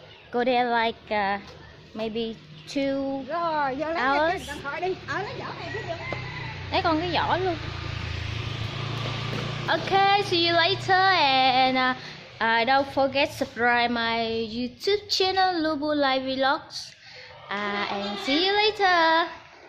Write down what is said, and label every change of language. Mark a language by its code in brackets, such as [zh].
[en] Go there like maybe 2 hours. [vi] Đấy còn cái giỏ luôn. [en] Okay, see you later and Don't forget to subscribe my YouTube channel Lubu Live Vlogs, and see you later.